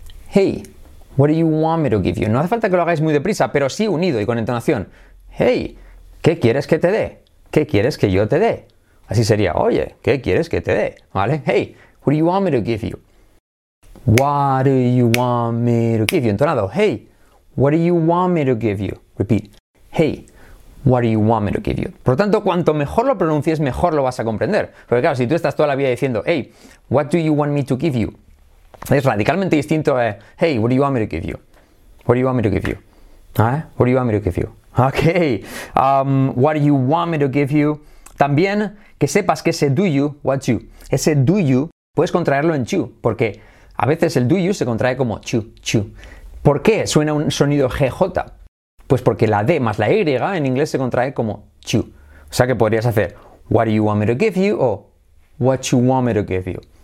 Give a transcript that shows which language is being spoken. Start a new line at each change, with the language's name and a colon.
English: Hey, what do you want me to give you?
Spanish: No hace falta que lo hagáis muy deprisa, pero sí unido y con entonación. Hey, ¿qué quieres que te dé? ¿Qué quieres que yo te dé? Así sería, oye, ¿qué quieres que te dé? ¿Vale?
English: Hey, what do you want me to give you? What do you want me to give you? Entonado, hey, what do you want me to give you? Repeat, hey, what do you want me to give you?
Spanish: Por lo tanto, cuanto mejor lo pronuncies, mejor lo vas a comprender. Porque claro, si tú estás toda la vida diciendo,
English: hey, what do you want me to give you?
Spanish: Es radicalmente distinto a,
English: hey, what do you want me to give you? What do you want me to give you? What do you want me to give you? Ok, what do you want me to give you?
Spanish: También, que sepas que ese do you, what you, ese do you, puedes contraerlo en you, porque a veces el do you se contrae como chu, chu. ¿Por qué suena un sonido GJ? Pues porque la D más la Y en inglés se contrae como chu. O sea que podrías hacer
English: what do you want me to give you
Spanish: o
English: what you want me to give you.